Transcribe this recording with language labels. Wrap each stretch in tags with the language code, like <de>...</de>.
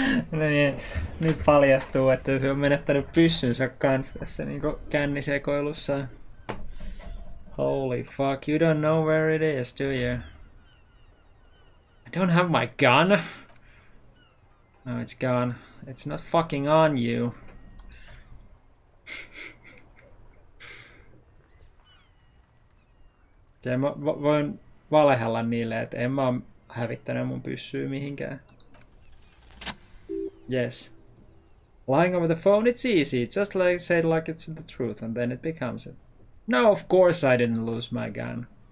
<fi>No niin, nyt paljastuu, että se on menettänyt pyssynsä kanssa tässä niinku kännisekoilussa.</fi> <en>Holy fuck, you don't know where it is, do you? I don't have my gun. No, it's gone. It's not fucking on you.</en> <fi>Okay, mä voin valehella niille, että en mä oo hävittänyt mun pyssyä mihinkään.</fi> <en>Yes. Lying over the phone, it's easy. Just like say it like it's the truth and then it becomes it. No, of course I didn't lose my gun.</en>